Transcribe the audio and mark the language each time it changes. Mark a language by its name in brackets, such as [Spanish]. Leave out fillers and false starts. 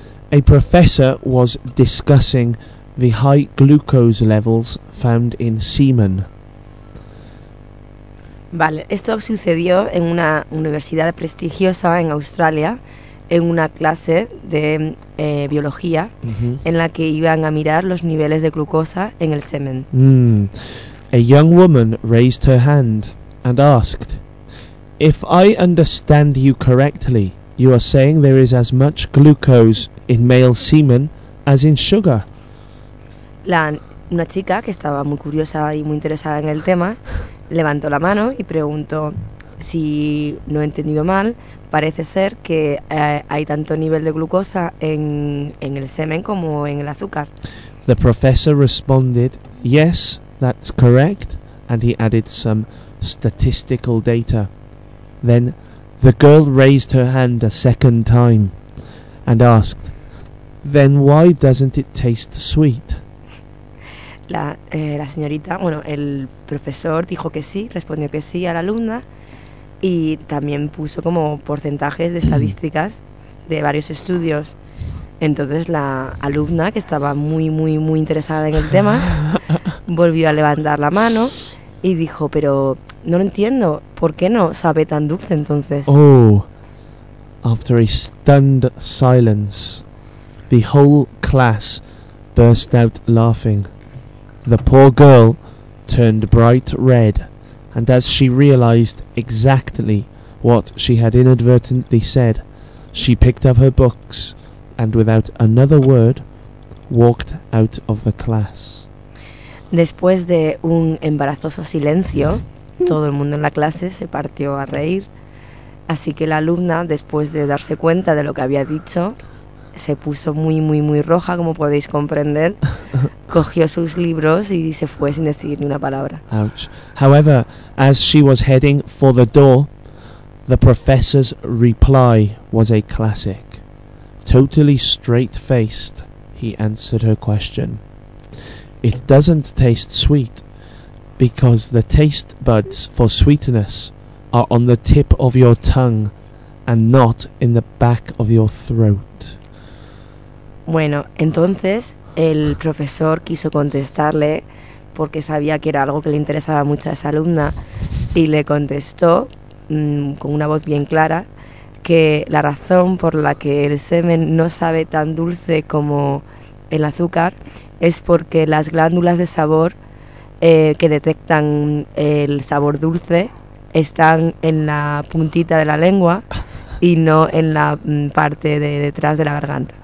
[English] A professor was discussing the high glucose levels found in semen. [Spanish] Vale, esto sucedió en una universidad prestigiosa en Australia, en una clase de biología, mm-hmm. en la que iban a mirar los niveles de glucosa en el semen. Mm. [English] A young woman raised her hand and asked, "If I understand you correctly, you are saying there is as much glucose in male semen as in sugar." [Spanish] Una chica que estaba muy curiosa y muy interesada en el tema levantó la mano y preguntó, si no he entendido mal, parece ser que hay tanto nivel de glucosa en el semen como en el azúcar. [English] The professor responded, "Yes, that's correct," and he added some statistical data. Then the girl raised her hand a second time and asked, "Then why doesn't it taste sweet?" [Spanish] La señorita, bueno, el profesor dijo que sí, respondió que sí a la alumna y también puso como porcentajes de estadísticas de varios estudios. Entonces la alumna, que estaba muy, muy, muy interesada en el tema, volvió a levantar la mano y dijo, pero no lo entiendo, ¿por qué no sabe tan dulce entonces? [English] Oh, after a stunned silence, the whole class burst out laughing. The poor girl turned bright red, and as she realized exactly what she had inadvertently said, she picked up her books and without another word, walked out of the class. [Spanish] Después de un embarazoso silencio, todo el mundo en la clase se partió a reír. Así que la alumna, después de darse cuenta de lo que había dicho, se puso muy, muy, muy roja, como podéis comprender. Cogió sus libros y se fue sin decir ni una palabra. [English] Ouch. However, as she was heading for the door, the professor's reply was a classic. Totally straight-faced, he answered her question. "It doesn't taste sweet, because the taste buds for sweetness are on the tip of your tongue and not in the back of your throat." [Spanish] Bueno, entonces el profesor quiso contestarle porque sabía que era algo que le interesaba mucho a esa alumna y le contestó con una voz bien clara que la razón por la que el semen no sabe tan dulce como el azúcar es porque las glándulas de sabor que detectan el sabor dulce están en la puntita de la lengua y no en la parte de detrás de la garganta.